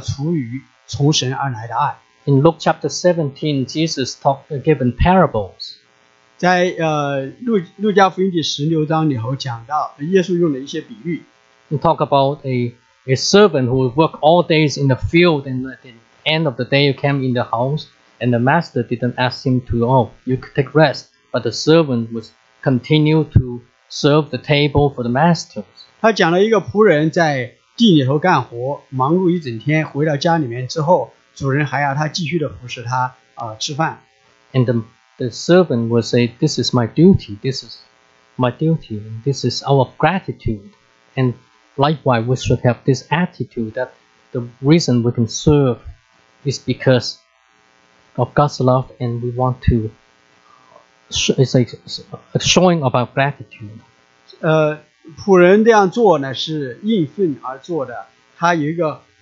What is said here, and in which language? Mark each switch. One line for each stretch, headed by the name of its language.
Chinese: 所以我们要服侍我们的弟兄姐妹，服侍我们的肢体，都要出于从神而来的爱。
English: In Luke chapter 17, Jesus given parables.
Chinese: 在路加福音第十六章里头讲到，耶稣用了一些比喻。
English: He talk about a servant who work all days in the field, and at the end of the day he came in the house. And the master didn't ask him to, oh, you could take rest. But the servant was continue to serve the table for the master.
Chinese: 他讲了一个仆人在地里头干活，忙碌一整天，回到家里面之后，主人还要他继续的服侍他，吃饭。
English: And the servant would say, this is my duty, this is my duty, this is our gratitude. And likewise, we should have this attitude that the reason we can serve is because of God's love, and we want to showing of our gratitude.
Chinese: 仆人这样做呢，是应份而做的。他有一个